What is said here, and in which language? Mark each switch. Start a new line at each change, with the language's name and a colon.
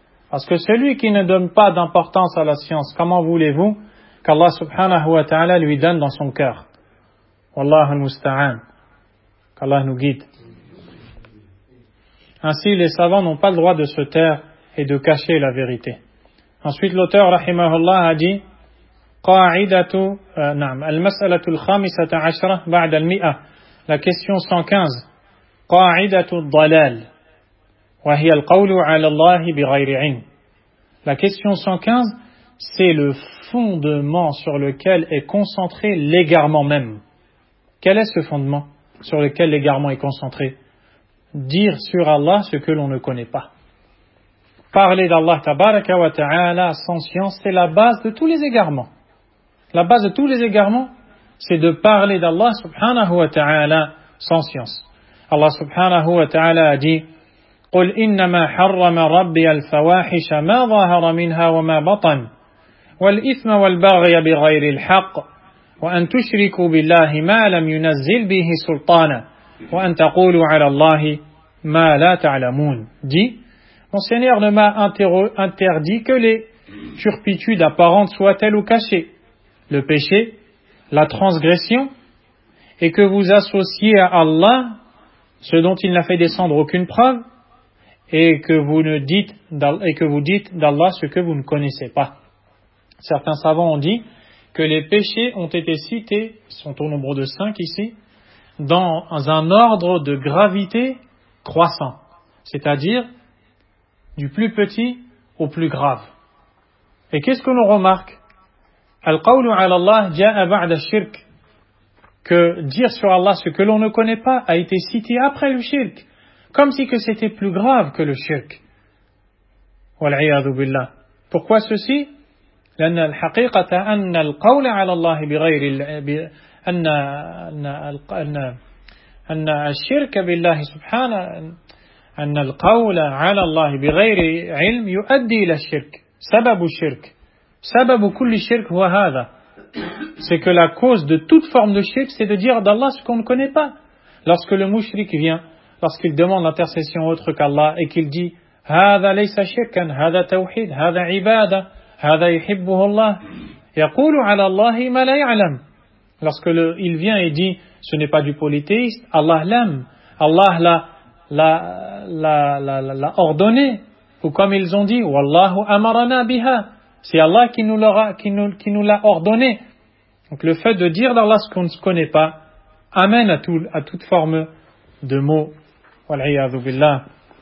French: Parce que celui qui ne donne pas d'importance à la science, comment voulez-vous qu'Allah subhanahu wa ta'ala lui donne dans son cœur?
Arabic: Wallahu al-musta'an.
French: Qu'Allah nous guide. Ainsi, les savants n'ont pas le droit de se taire et de cacher la vérité. Ensuite, l'auteur, rahimahullah, a dit
Arabic: قَاعِدَةُ نَعْمَ أَلْمَسْأَلَةُ الْخَامِسَةَ عَشْرَ بَعْدَ الْمِئَةَ.
French: La question 115.
Arabic: قاعدة الضلال وهي القول على الله بغير علم.
French: La question 115, c'est le fondement sur lequel est concentré l'égarement même. Quel est ce fondement? sur lequel l'égarement est concentré. Dire sur Allah ce que l'on ne connaît pas. Parler d'Allah tabaraka wa ta'ala sans science, c'est la base de tous les égarements. La base de tous les égarements, c'est de parler d'Allah subhanahu wa ta'ala sans science.
Arabic: Allah subhanahu wa ta'ala
French: a dit:
Arabic: قُلْ إِنَّمَا حَرَّمَ رَبِّيَ الْفَوَاحِشَ مَا ظَاهَرَ مِنْهَا وَمَا بَطَنْ وَالْإِثْمَ وَالْبَغْيَ بِغَيْرِ الْحَقِّ وَأَنْ تُشْرِكُوا بِاللَّهِ مَا لَمْ يُنَزِّلْ بِهِ سُلْطَانًا وَأَنْ تَقُولُوا عَلَى اللَّهِ مَا لَا تَعْلَمُونَ.
French: Dit: Mon Seigneur ne m'a interdit que les turpitudes apparentes soient-elles ou cachées, le péché, la transgression, et que vous associez à Allah ce dont il n'a fait descendre aucune preuve, et que vous dites d'Allah ce que vous ne connaissez pas. Certains savants ont dit que les péchés ont été cités, sont au nombre de 5 ici, dans un ordre de gravité croissant, c'est-à-dire du plus petit au plus grave. Et qu'est-ce que l'on remarque ?
Arabic: Al-qawlu ala Allah ja'a ba'da shirk,
French: que dire sur Allah ce que l'on ne connaît pas a été cité après le shirk, comme si que c'était plus grave que le shirk.
Arabic: Wal'iyadu billah.
French: Pourquoi ceci ?
Arabic: لأن الحقيقة أن القول على الله بغير أن أن أن أن الشرك بالله سبحانه أن القول على الله بغير علم يؤدي إلى الشرك سبب الشرك سبب كل الشرك هو هذا.
French: C'est que la cause de toute forme de shirk, c'est de dire d'Allah ce qu'on ne connaît pas. Lorsque le mushrik vient, lorsqu'il demande l'intercession autre qu'Allah et qu'il dit
Arabic: هذا ليس شركا هذا توحيد هذا عبادة هذا يحبه الله يقول على الله ما لا يعلم.
French: Lorsque il vient et dit ce n'est pas du polythéiste, Allah l'aime, Allah l'a ordonné, ou comme ils ont dit
Arabic: والله أمرنا بها,
French: c'est Allah qui nous l'a ordonné. Donc le fait de dire d'Allah ce qu'on ne connaît pas amène à toute forme de mots,
Arabic: والعياذ بالله.